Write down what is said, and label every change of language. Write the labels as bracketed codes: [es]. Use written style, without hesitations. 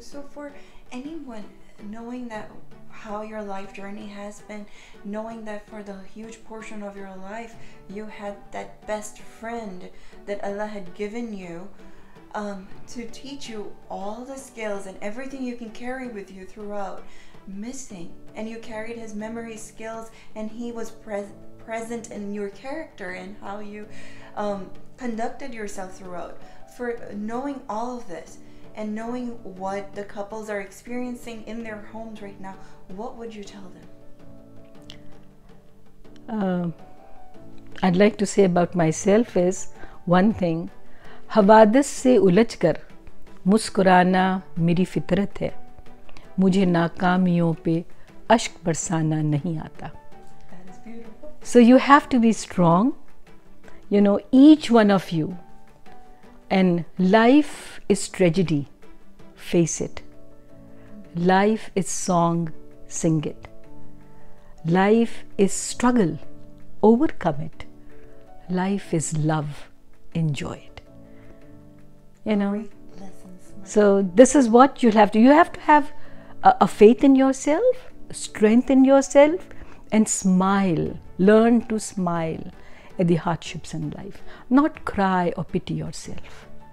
[en] So for anyone, knowing that how your life journey has been, knowing that for the huge portion of your life, you had that best friend that Allah had given you, to teach you all the skills and everything you can carry with you throughout, missing, and you carried his memory skills and he was present in your character and how you conducted yourself throughout. For knowing all of this and knowing what the couples are experiencing in their homes right now, what would you tell them? I'd like to say about myself is one thing, [hi] हवादस से उलझ कर मुस्कुराना मेरी फितरत है, मुझे नाकामियों पे अश्क बरसाना नहीं आता. [en] So you have to be strong, you know each one of you, and life is tragedy, face it. Life is song, sing it. Life is struggle, overcome it. Life is love, enjoy it. You know, so this is what you'll have to, you have to have a faith in yourself, strength in yourself, and smile, learn to smile at the hardships in life, not cry or pity yourself.